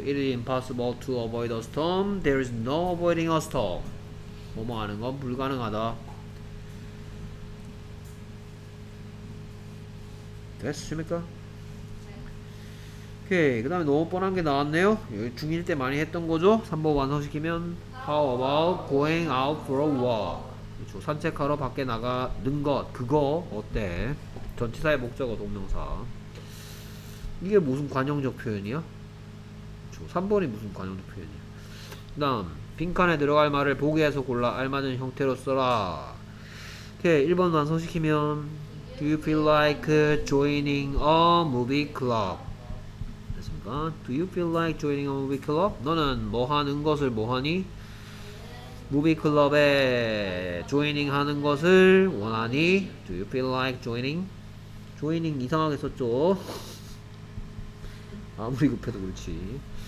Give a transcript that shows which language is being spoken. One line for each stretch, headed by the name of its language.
English: It is impossible to avoid a storm. There is no avoiding a storm.
Korean: 뭐 하는 건 불가능하다. 됐습니까? 오케이. 그 다음에 너무 뻔한 게 나왔네요. 중1 때 많이 했던 거죠? 3번 완성시키면
English: How about going out for a walk?
Korean: 그렇죠. 산책하러 밖에 나가는 것, 그거 어때? 전치사의 목적어 동명사. 이게 무슨 관용적 표현이야? 그렇죠. 3번이 무슨 관용적 표현이야? 그 다음 빈칸에 들어갈 말을 보기에서 골라 알맞은 형태로 써라. 오케이. 1번 완성시키면
English: Do you feel like joining a movie club?
Korean: 됐습니까?
English: Do you feel like joining a movie club?
Korean: 너는 뭐 하는 것을 뭐 하니? 무비 클럽에 조이닝 하는 것을 원하니?
English: Do you feel like joining? Joining
Korean: 이상하게 썼죠? 아무리 급해도 그렇지.